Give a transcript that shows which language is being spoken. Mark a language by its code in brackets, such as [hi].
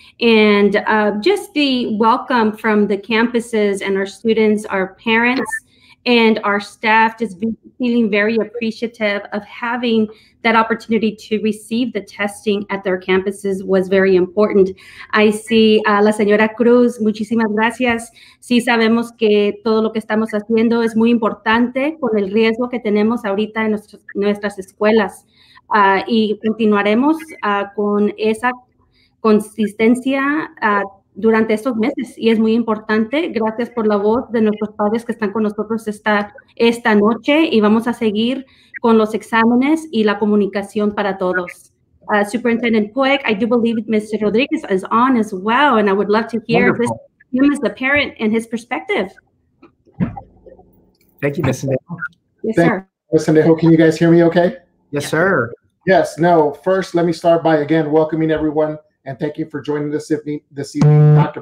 [en] And just the welcome from the campuses and our students, our parents, and our staff just feeling very appreciative of having that opportunity to receive the testing at their campuses was very important. I see [es] la señora Cruz, muchísimas gracias. Sí, sabemos que todo lo que estamos haciendo es muy importante con el riesgo que tenemos ahorita en nuestras escuelas. Y continuaremos con esa consistencia durante estos meses, y es muy importante. Gracias por la voz de nuestros padres que están con nosotros esta noche, y vamos a seguir con los exámenes y la comunicación para todos. [en] Superintendent Poig, I do believe Mr. Rodriguez is on as well, and I would love to hear him as the parent and his perspective. Thank you, Ms. Sendejo. Yes, sir. Ms. Sendejo, can you guys hear me okay? Yes, sir. Yes, no, first let me start by again welcoming everyone and thank you for joining us this evening. Dr.